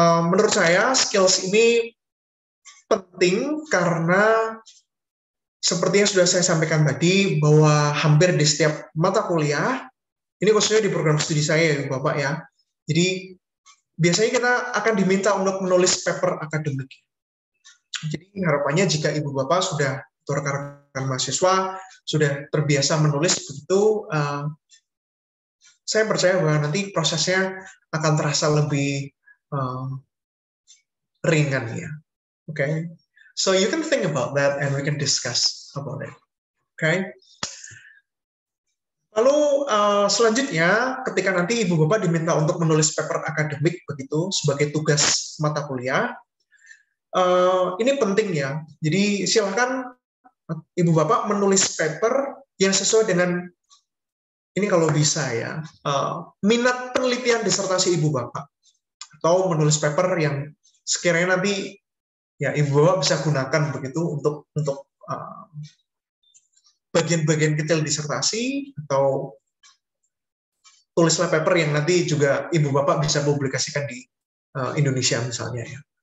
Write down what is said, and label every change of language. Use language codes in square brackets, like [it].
[id] Menurut saya skills ini penting karena seperti yang sudah saya sampaikan tadi bahwa hampir di setiap mata kuliah, ini khususnya di program studi saya ya Bapak ya, jadi biasanya kita akan diminta untuk menulis paper akademik. Jadi harapannya jika Ibu Bapak sudah rekan-rekan mahasiswa sudah terbiasa menulis begitu, saya percaya bahwa nanti prosesnya akan terasa lebih ringan ya. [en] Okay, so you can think about that and we can discuss about it. Okay. [id] Lalu selanjutnya, ketika nanti Ibu Bapak diminta untuk menulis paper akademik begitu sebagai tugas mata kuliah, ini penting ya. Jadi silakan Ibu Bapak menulis paper yang sesuai dengan ini kalau bisa ya, minat penelitian disertasi Ibu Bapak, atau menulis paper yang sekiranya nanti ya Ibu Bapak bisa gunakan begitu untuk bagian-bagian kecil disertasi, atau tulislah paper yang nanti juga Ibu Bapak bisa publikasikan di Indonesia misalnya ya.